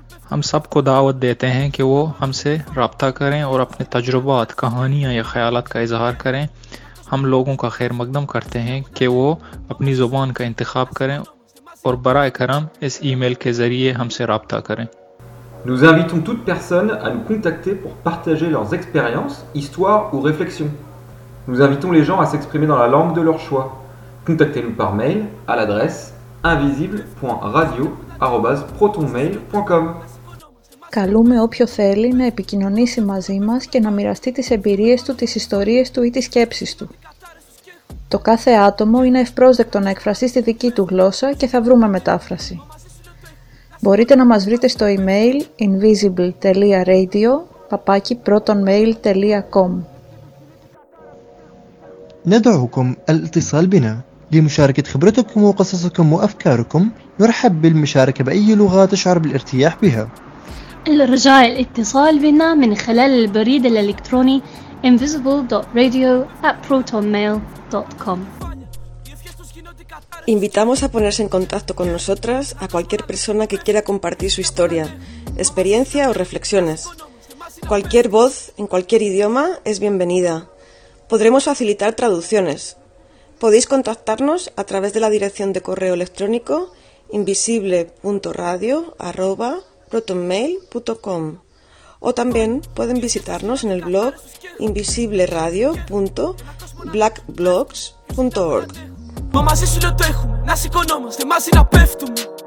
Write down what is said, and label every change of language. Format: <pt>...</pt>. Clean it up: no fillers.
<ur>ہم سب کو دعوت دیتے ہیں کہ وہ ہم سے رابطہ کریں اور اپنے تجربات، کہانیاں یا خیالات کا اظہار کریں. ہم لوگوں کا خیر مقدم کرتے ہیں کہ وہ اپنی زبان کا انتخاب کریں اور برائے کرم اس ای میل کے ذریعے ہم سے رابطہ کریں.</ur> <fr>Nous invitons toute personne à nous contacter pour partager leurs expériences, histoires ou réflexions. Nous invitons les gens à s'exprimer dans la langue de leur choix. Contactez-nous par mail à l'adresse invisible.radio@protonmail.com.</fr> <el>Καλούμε όποιο θέλει να επικοινωνήσει μαζί μας και να μοιραστεί τις εμπειρίες του, τις ιστορίες του ή τις σκέψεις του. Το κάθε άτομο είναι ευπρόσδεκτο να εκφραστεί στη δική του γλώσσα και θα βρούμε μετάφραση. Μπορείτε να μας βρείτε στο email invisible.radio@protonmail.com.</el> <ar>ندعوكم الاتصال بنا لمشاركة خبرتكم وقصصكم وأفكاركم. نرحب بالمشاركة بأي لغة تشعر بالارتياح بها. الرجاء الاتصال بنا من خلال البريد الإلكتروني invisible.radio@protonmail.com.</ar> <es>Invitamos a ponerse en contacto con nosotras a cualquier persona que quiera compartir su historia, experiencia o reflexiones. Cualquier voz en cualquier idioma es bienvenida. Podremos facilitar traducciones. Podéis contactarnos a través de la dirección de correo electrónico invisible.radio@protonmail.com o también pueden visitarnos en el blog invisibleradio.blackblogs.org.</es> <el>Μα μαζί σου λέω το έχουμε, να σηκωνόμαστε μαζί να πέφτουμε.</el>